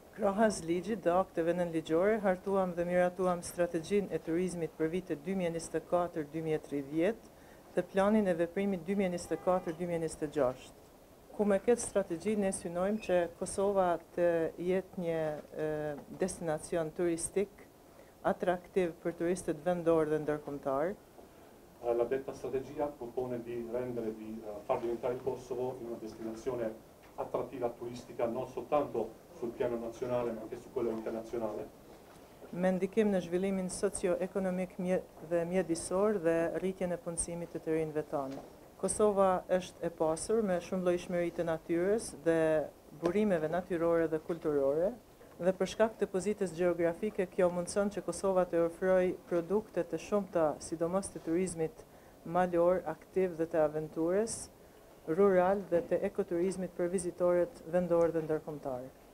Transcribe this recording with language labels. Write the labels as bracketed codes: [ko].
[sq] Krahas ligjit dhe akteve nënligjore, hartuam dhe miratuam strategjin e turizmit për vitet 2024-2030 dhe planin e veprimit 2024-2026. Ku me këtë strategji ne synojmë që Kosova të jetë një destinacion turistik atraktiv për turistët vendorë dhe ndërkombëtarë. [it] La detta strategia propone di far diventare il Kosovo in una destinazione attrattiva turistica non soltanto sul piano nazionale ma anche su quello internazionale. [sq] Me ndikim në zhvillimin socio-ekonomik dhe mjedisor dhe rritjen e punësimit të të rinjve tanë. Kosova është e pasur me shumë llojshmëri të natyrës dhe burimeve natyrore dhe kulturore, dhe për shkak të pozitës gjeografike, kjo mundëson që Kosova të ofroj produkte të shumëta, sidomos të turizmit malor, aktiv dhe të aventures, rural dhe të ekoturizmit për vizitorët vendorë dhe ndërkombëtarë.